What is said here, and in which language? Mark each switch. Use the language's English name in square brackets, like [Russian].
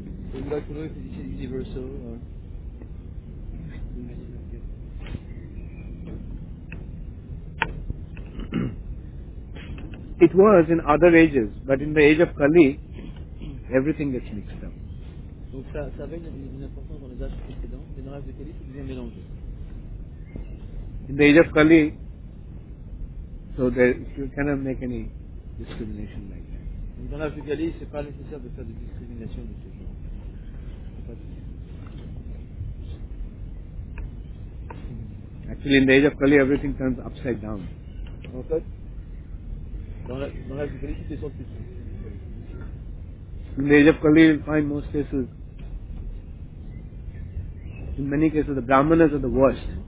[English] So we'd like to know if this is universal or. It was in other ages, but in the age of Kali, everything gets mixed up. [French] Donc ça avait une importance dans les âges précédents, mais dans l'âge de Kali, c'est devenu mélangé. [English] In the age of Kali, so there, you cannot make any discrimination like that. [French] Donc dans l'âge de Kali, c'est pas nécessaire de faire de discrimination de ce genre. C'est pas possible. [English] Actually, in the age of Kali, everything turns upside down. Okay. In the age of Kali, you'll find most cases. In many cases, the Brahmanas are the worst.